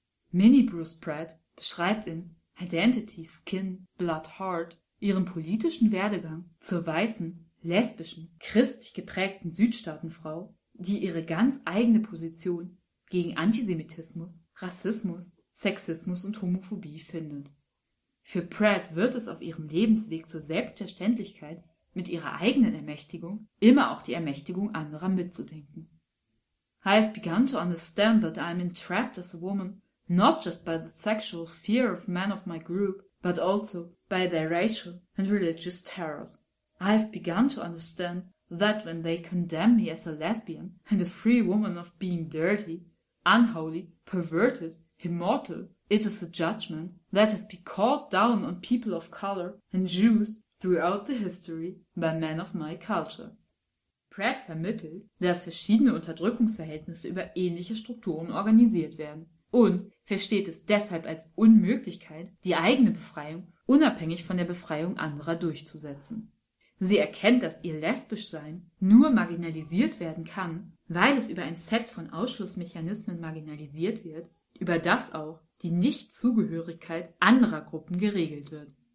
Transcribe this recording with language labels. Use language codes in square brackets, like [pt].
[de] Minnie Bruce Pratt beschreibt in Identity, Skin, Blood, Heart ihren politischen Werdegang zur weißen, lesbischen, christlich geprägten Südstaatenfrau, die ihre ganz eigene Position gegen Antisemitismus, Rassismus, Sexismus und Homophobie findet. Für Pratt wird es auf ihrem Lebensweg zur Selbstverständlichkeit, mit ihrer eigenen Ermächtigung immer auch die Ermächtigung anderer mitzudenken. [en] I've begun to understand that I'm entrapped as a woman, not just by the sexual fear of men of my group, but also by their racial and religious terrors. I've begun to understand that when they condemn me as a lesbian and a free woman of being dirty, unholy, perverted, immortal, it is a judgment that has been called down on people of color and Jews throughout the history by men of my culture. [de] Pratt vermittelt, dass verschiedene Unterdrückungsverhältnisse über ähnliche Strukturen organisiert werden und versteht es deshalb als Unmöglichkeit, die eigene Befreiung unabhängig von der Befreiung anderer durchzusetzen. Sie erkennt, dass ihr Lesbischsein nur marginalisiert werden kann, weil es über ein Set von Ausschlussmechanismen marginalisiert wird, über das auch die Nichtzugehörigkeit anderer Gruppen geregelt wird.